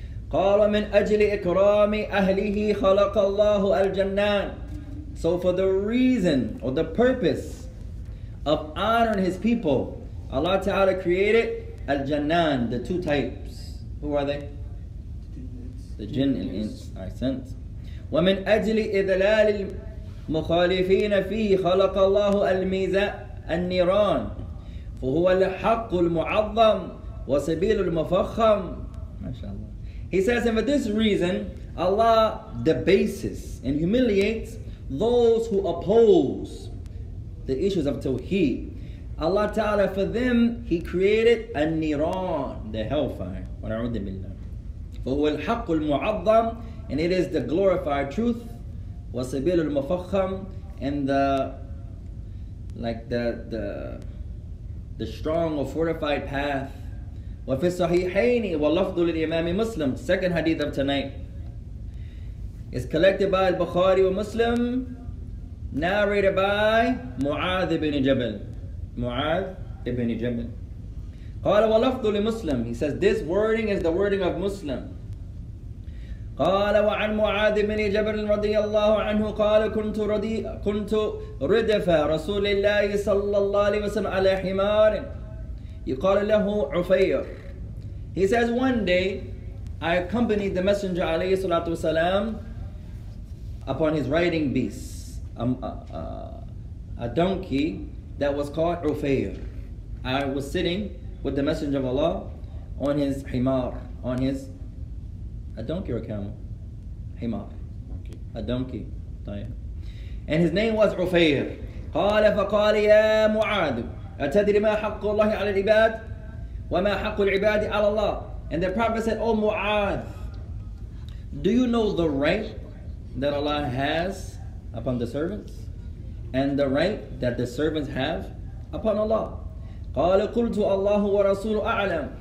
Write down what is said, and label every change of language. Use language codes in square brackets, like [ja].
[ar] قَالَ مِنْ أَجْلِ إِكْرَامِ أَهْلِهِ خَلَقَ اللَّهُ الْجَنَّانِ. [en] So for the reason or the purpose of honoring his people, Allah Ta'ala created al-Jannan, the two types. Who are they? The jinn and ins. I sense. [ar] وَمِنْ أَجْلِ إِذْلَالِ الْمُخَالِفِينَ فِيهِ خَلَقَ اللَّهُ الْمِيزَانَ النِّيرَانَ فَهُوَ الْحَقُّ الْمُعَظَّمُ وَسَبِيلُ الْمُفَخَّمُ MashaAllah. [en] He says, and for this reason, Allah debases and humiliates those who oppose the issues of Tawheed. Allah Ta'ala, for them, He created النِّيرَانَ, the hellfire. [ar] وَنَعُوذِ بِاللَّهِ فَهُوَ الْحَقُّ الْمُعَظَّمُ, [en] and it is the glorified truth, [ar] وَسَبِيلُ الْمُفَخَّمُ, [en] and the strong or fortified path. [ar] وَفِي الصَّحِيحَيْنِ وَلَفْضُ لِلْإِمَامِ مُسْلِمِ, [en] second hadith of tonight, is collected by Al-Bukhari and Muslim, narrated by Mu'adh ibn Jabal. Mu'adh ibn Jabal. [ar] قَالَ وَلَفْضُ لِمُسْلِمِ, [en] he says this wording is the wording of Muslim. [ar] قال وعن معاذ بن جبل رضي الله عنه قال كنت ردف رسول الله صلى الله عليه وسلم على حمار يقال له عفير. [en] He says, one day I accompanied the messenger [ar] عليه الصلاة والسلام [en] upon his riding beast, a donkey that was called عفير. I was sitting with the messenger of Allah on his حمار, on his a donkey or a camel? Himar. A donkey. طيب. And his name was Ufair. [ar] قال فقال يا معاذ أتدري ما حق الله على العباد وما حق العباد على الله. [en] And the Prophet said, oh Mu'adh, do you know the right that Allah has upon the servants and the right that the servants have upon Allah? [ar] قال قلت الله ورسوله أعلم.